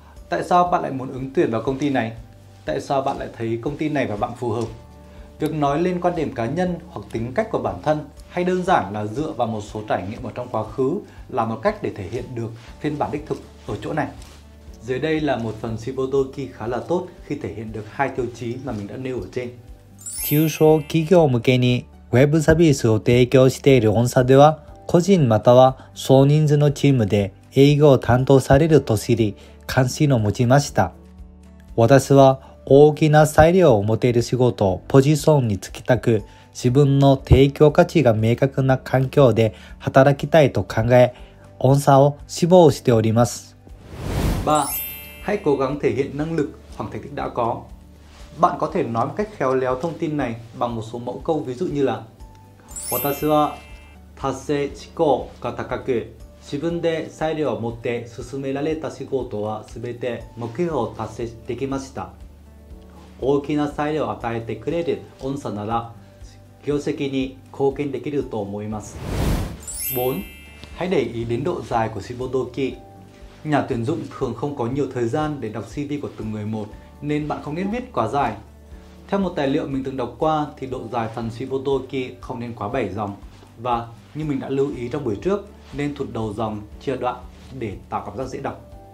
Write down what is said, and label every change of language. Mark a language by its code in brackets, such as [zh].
[vi] Tại sao bạn lại muốn ứng tuyển vào công ty này? Tại sao bạn lại thấy công ty này và bạn phù hợp? Việc nói lên quan điểm cá nhân hoặc tính cách của bản thân hay đơn giản là dựa vào một số trải nghiệm ở trong quá khứ là một cách để thể hiện được phiên bản đích thực ở chỗ này. Dưới đây là một phần shibodoki khá là tốt khi thể hiện được hai tiêu chí mà mình đã nêu ở trên. [ja] 中小企業向けにウェブサービスを提供している本社では、個人または少人数のチームで営業を担当されると知り、関心を持ちました。私は大きな裁量を持てる仕事をポジションに就きたく、自分の提供価値が明確な環境で働きたいと考え、本社を志望しております。ば、はい、 [vi] cố gắng thể hiện năng lực hoặc thành tích đã có。 Bạn có thể nói một cách khéo léo thông tin này bằng một số mẫu câu ví dụ như là [ja] 私は達成志向が高く、自分で裁量を持って進められた仕事は全て目標を達成できました。大きな裁量を与えてくれる御社なら、業績に貢献できると思います。 4. [vi] Hãy để ý đến độ dài của CV đôi khi. Nhà tuyển dụng thường không có nhiều thời gian để đọc CV của từng người một nên bạn không nên viết quá dài. Theo một tài liệu mình từng đọc qua thì độ dài phần CV đôi khi không nên quá 7 dòng và như mình đã lưu ý trong buổi trước nên thuộc đầu dòng chia đoạn để tạo cảm giác dễ đọc.